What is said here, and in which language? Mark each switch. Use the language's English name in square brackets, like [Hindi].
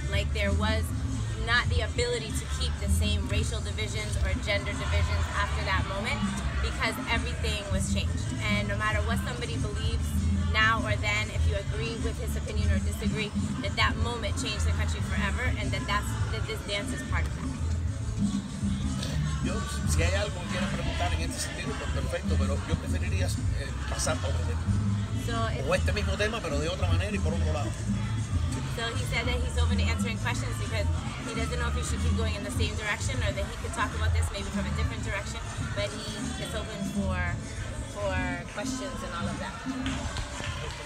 [English] Like there was not the ability to keep the same racial divisions or gender divisions after that moment, because everything was changed. And no matter what somebody believes now or then, if you agree with his opinion or disagree, that that moment changed the country forever, and that this dance is part of that. [Spanish] Yo, si hay algo que quieras preguntar en este sentido, pues perfecto, pero yo preferiría pasar a otro tema. [English] So [Spanish] o este mismo tema, pero de otra manera y por otro lado. [English] So he said that he's open to answering questions because he doesn't know if he should keep going in the same direction or that he could talk about this maybe from a different direction, but he is open for questions and all of that.